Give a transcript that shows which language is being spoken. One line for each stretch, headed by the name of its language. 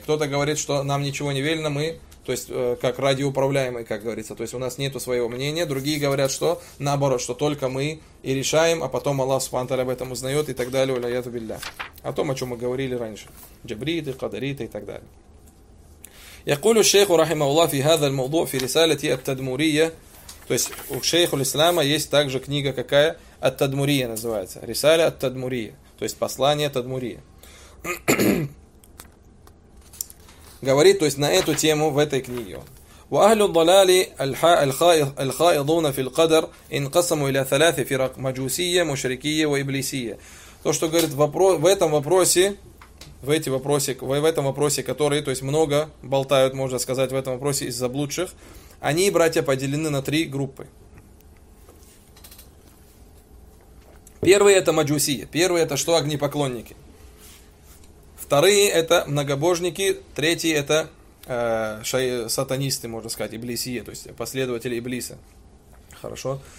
Russian: Кто-то говорит, что нам ничего не велено, мы... То есть, как радиоуправляемый, как говорится. То есть, у нас нету своего мнения. Другие говорят, что наоборот, что только мы и решаем, а потом Аллах Субхану ва Тааля об этом узнает и так далее. Валяяту билля. О том, о чем мы говорили раньше. Джабриты, кадариты и так далее.
Arabic: يقول الشيخ رحمه الله في هذا الموضوع في رسالة التدمورية.
Russian: То есть у шейха ислама есть также книга какая? Ат-Тадмурия называется. Рисаля Ат-Тадмурия. То есть послание Ат-Тадмурия. Говорит, то есть на эту тему в этой книге он.
Arabic: وأهل الضلال الخائضون في القدر انقسموا إلى ثلاث فرق مجوسية مشركية وإبليسية.
Russian: То, что говорит в этом вопросе, в этом вопросе, который, то есть много болтают, можно сказать, в этом вопросе из заблудших, они, братья, поделены на три группы. Первые это маджусии, первые это что, огнепоклонники. Вторые это многобожники, третьи это сатанисты, можно сказать, иблисия, то есть последователи иблиса. Хорошо.